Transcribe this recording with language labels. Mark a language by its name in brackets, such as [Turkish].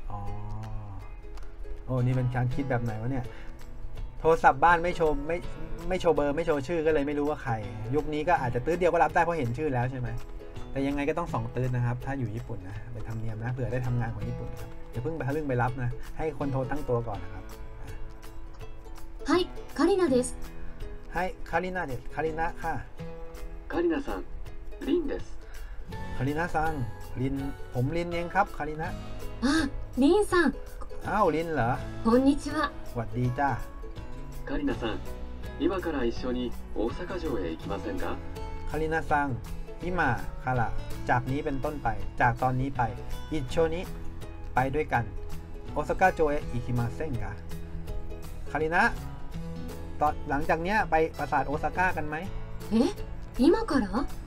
[Thai] อ๋อโอ้นี่เป็นการคิดแบบไหนวะเนี่ยโทรศัพท์บ้านไม่โชว์ไม่โชว์เบอร์ไม่โชว์ชื่อก็เลยไม่รู้ว่าใครยุคนี้ก็อาจจะตื้อเดียวก็รับได้เพราะเห็นชื่อแล้วใช่ไหมแต่ยังไงก็ต้องสองตื้อนะครับถ้าอยู่ญี่ปุ่นนะเป็นธรรมเนียมนะเผื่อได้ทำงานของญี่ปุ่นครับอย่าเพิ่งไปรับนะให้คนโทรตั้งตัวก่อนนะครับ [Japanese] はいカリナですはいカリナですカリナ [Thai] ค่ะ [Japanese] カリナさんリンですカリナさん [Thai] リンผมリンเองครับカリナ [Japanese] あリンさん [Thai] อ้าวリンเหรอ [Japanese] こんにちは [Thai] สวัสดีจ้า [Japanese] カリナさん今から一緒に大阪城へ行きませんか？カリナさん、今から [Thai] จากนี้เป็นต้นไปจากตอนนี้ไป [Japanese] 一緒に [Thai] ไปด้วยกัน [Japanese] 大阪城へ行きませんか？ [Thai] カリナ、ตอนหลังจากเนี้ยไปปราสาทโอซาก้ากันไหม？ [Japanese] え、今から？